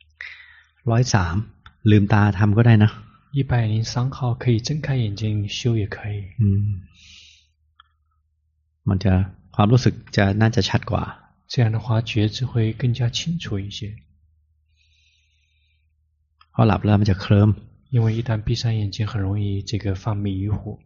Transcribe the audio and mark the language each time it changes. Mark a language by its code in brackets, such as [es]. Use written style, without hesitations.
[th] 103ลืมตาทำก็ได้นะ [zh] 103号可以睁开眼睛修也可以 [th] มันจะความรู้สึกจะน่าจะชัดกว่า [zh] 这样的话觉知会更加清楚一些 [th] พอหลับแล้วมันจะเคลิ้ม [zh] 因为一旦闭上眼睛很容易这个犯迷糊